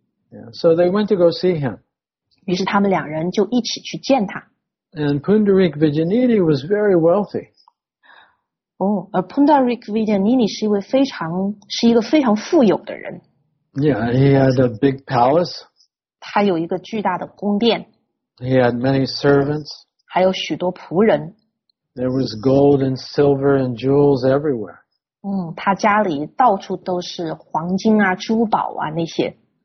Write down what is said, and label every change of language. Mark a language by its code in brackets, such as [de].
[en] Yeah, so they went to go see him. [zh] 于是他们两人就一起去见他。 [en] And Pundarik Vidyaniti was very wealthy. [zh] Pundarik Vidyaniti 是一个非常富有的人。 [en] Yeah, he had a big palace. [zh] 他有一个巨大的宫殿。 [en] He had many servants. [zh] 还有许多仆人。 [en] There was gold and silver and jewels everywhere. [zh] 他家里到处都是黄金啊、珠宝啊那些。